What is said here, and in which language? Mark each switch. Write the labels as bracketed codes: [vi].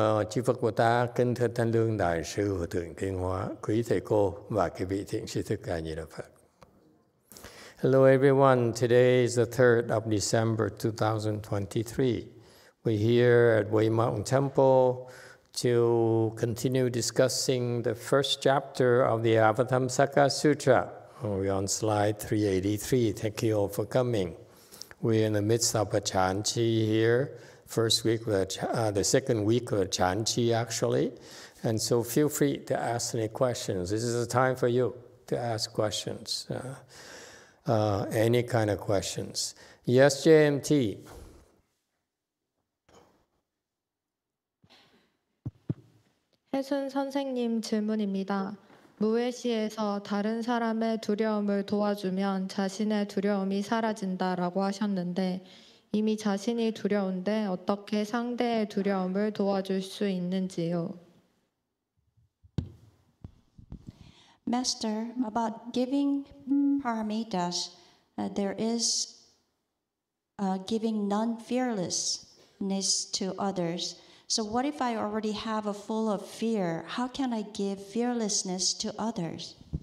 [vi] Chư Phật Bồ Tát, Kinh Thư Thanh Lương Đại Sư Hòa Thượng Kinh Hóa, Quý Thầy Cô và Quý Vị Thiện Sư Thích Ca Di Đà Phật. [en] Hello everyone, today is the 3rd of December 2023. We're here at Way Mountain Temple to continue discussing the first chapter of the Avatamsaka Sutra. We're on slide 383. Thank you all for coming. We're in the midst of a Chan Chi here. The second week of the Chan Chi actually. And so feel free to ask any questions. This is a time for you to ask questions, any kind of questions. Yes, JMT. [ko] Haesun 선생님 질문입니다. 무외시에서 다른 사람의 두려움을 도와주면 자신의 두려움이 사라진다라고 하셨는데 이미 자신이 두려운데 어떻게 상대의 두려움을 도와줄 수 있는지요? [en] Master, about giving paramitas, there is giving non-fearlessness to others. So what if I already have a full of fear? How can I give fearlessness to others?